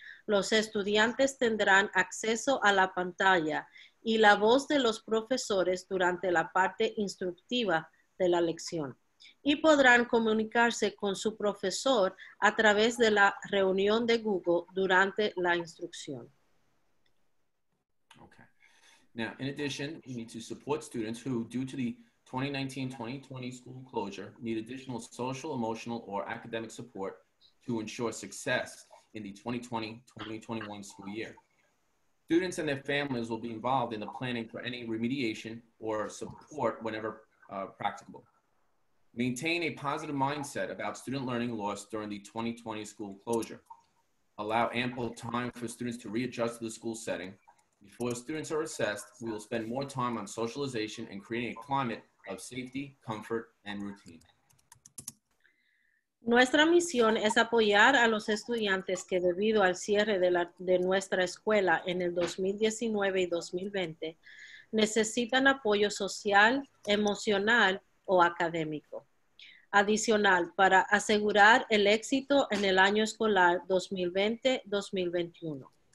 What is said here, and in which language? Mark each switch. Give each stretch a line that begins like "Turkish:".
Spanish: Los estudiantes tendrán acceso a la pantalla y la voz de los profesores durante la parte instructiva de la lección y podrán comunicarse con su profesor a través de la reunión de Google durante la instrucción.
English: Okay. Now, in addition, we need to support students who, due to the 2019-2020 school closure, need additional social, emotional, or academic support to ensure success in the 2020-2021 school year. Students and their families will be involved in the planning for any remediation or support whenever practicable. Maintain a positive mindset about student learning loss during the 2020 school closure. Allow ample time for students to readjust to the school setting. Before students are assessed, we will spend more time on socialization and creating a climate of safety, comfort, and routine.
Spanish: Nuestra misión es apoyar a los estudiantes que debido al cierre de nuestra escuela en el 2019 y 2020, necesitan apoyo social, emocional o académico. Adicional, para asegurar el éxito en el año escolar 2020-2021.